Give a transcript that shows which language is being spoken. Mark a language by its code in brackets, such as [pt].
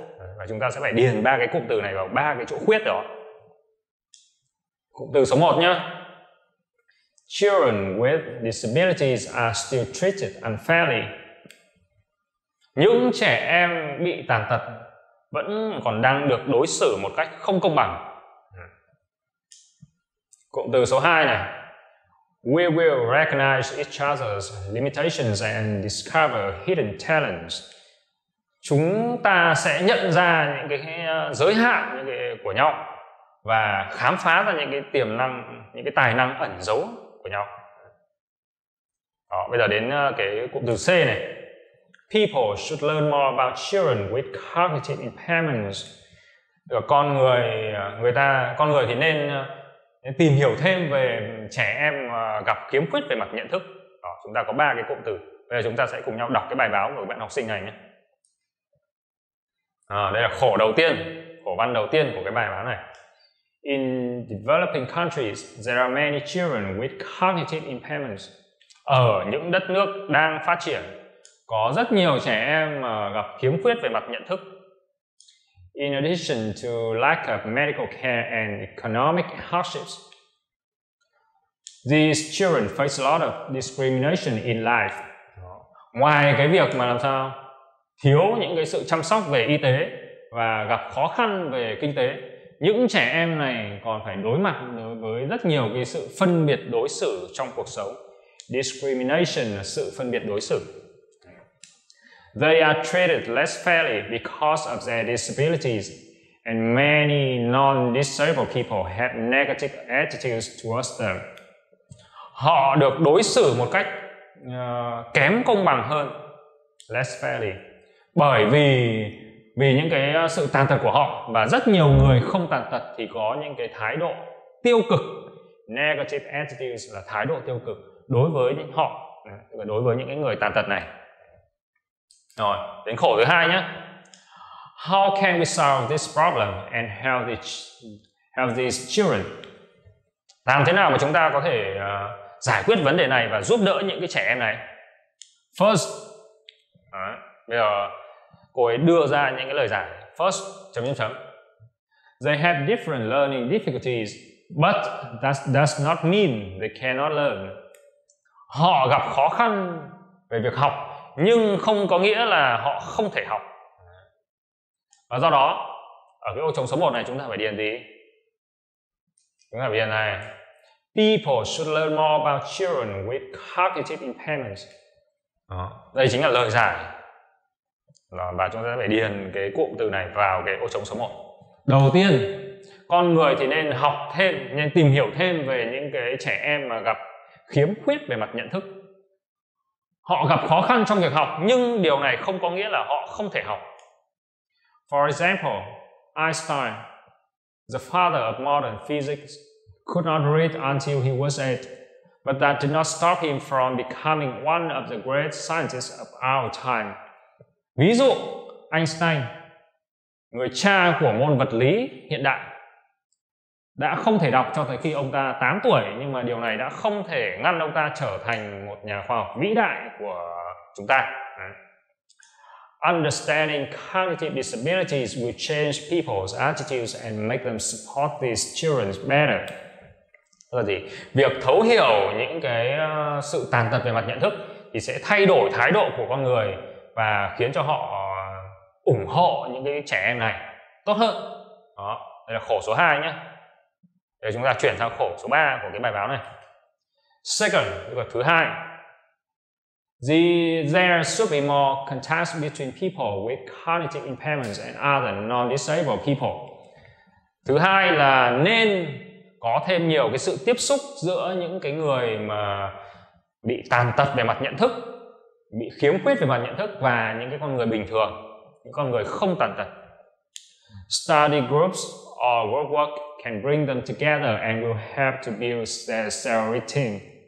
[vi] Đấy, và chúng ta sẽ phải điền 3 cái cụm từ này vào 3 cái chỗ khuyết đó. Cụm từ số 1 nhá. [en] Children with disabilities are still treated unfairly. [vi] Những trẻ em bị tàn tật vẫn còn đang được đối xử một cách không công bằng. Cụm từ số 2 này. [en] We will recognize each other's limitations and discover hidden talents. [vi] Chúng ta sẽ nhận ra những cái giới hạn của nhau và khám phá ra những cái tiềm năng, những cái tài năng ẩn giấu của nhau. Đó, bây giờ đến cái cụm từ C này. [en] People should learn more about children with cognitive impairments. [vi] Con người thì nên tìm hiểu thêm về trẻ em gặp khiếm khuyết về mặt nhận thức. Đó, chúng ta có 3 cái cụm từ. Bây giờ chúng ta sẽ cùng nhau đọc cái bài báo của bạn học sinh này nhé. À, đây là khổ đầu tiên. cổ văn đầu tiên của cái bài báo này. [en] In developing countries, there are many children with cognitive impairments. [vi] Ở những đất nước đang phát triển, có rất nhiều trẻ em mà gặp khiếm khuyết về mặt nhận thức. [en] In addition to lack of medical care and economic hardships, these children face a lot of discrimination in life. [vi] Ngoài cái việc mà làm sao thiếu những cái sự chăm sóc về y tế và gặp khó khăn về kinh tế, những trẻ em này còn phải đối mặt với rất nhiều cái sự phân biệt đối xử trong cuộc sống. Discrimination là sự phân biệt đối xử. [en] They are treated less fairly because of their disabilities, and many non-disabled people have negative attitudes towards them. [vi] Họ được đối xử một cách kém công bằng hơn, [en] less fairly, [vi] bởi vì những cái sự tàn tật của họ, và rất nhiều người không tàn tật thì có những cái thái độ tiêu cực, [en] negative attitudes [vi] là thái độ tiêu cực đối với họ, đối với những cái người tàn tật này. Rồi, đến khổ thứ hai nhé. [en] How can we solve this problem and help these children? [vi] Làm thế nào mà chúng ta có thể giải quyết vấn đề này và giúp đỡ những cái trẻ em này? [en] First, [vi] bây giờ cô ấy đưa ra những cái lời giải. [en] First, They have different learning difficulties, but that does not mean they cannot learn. [vi] Họ gặp khó khăn về việc học, nhưng không có nghĩa là họ không thể học. Và do đó, ở cái ô trống số 1 này chúng ta phải điền gì? Chúng ta phải điền này: [en] People should learn more about children with cognitive impairments. [vi] Đây chính là lời giải. Và chúng ta phải điền cái cụm từ này vào cái ô trống số 1. Đầu tiên, con người thì nên học thêm, nên tìm hiểu thêm về những cái trẻ em mà gặp khiếm khuyết về mặt nhận thức. Họ gặp khó khăn trong việc học, nhưng điều này không có nghĩa là họ không thể học. [en] For example, Einstein, the father of modern physics, could not read until he was 8, but that did not stop him from becoming one of the great scientists of our time. [vi] Ví dụ, Einstein, người cha của môn vật lý hiện đại, đã không thể đọc cho tới khi ông ta 8 tuổi, nhưng mà điều này đã không thể ngăn ông ta trở thành một nhà khoa học vĩ đại của chúng ta. [en] Understanding cognitive disabilities will change people's attitudes and make them support these children better. [vi] Là gì? Việc thấu hiểu những cái sự tàn tật về mặt nhận thức thì sẽ thay đổi thái độ của con người và khiến cho họ ủng hộ những cái trẻ em này tốt hơn. Đó, đây là khổ số 2 nhé. Để chúng ta chuyển sang khổ số 3 của cái bài báo này. [en] Second, [vi] tức là thứ hai. [en] There should be more contact between people with cognitive impairments and other non-disabled people. [vi] Thứ hai là nên có thêm nhiều cái sự tiếp xúc giữa những cái người mà bị tàn tật về mặt nhận thức, bị khiếm khuyết về mặt nhận thức, và những cái con người bình thường, những con người không tàn tật. [en] Study groups or group work can bring them together and will help to build their self-esteem.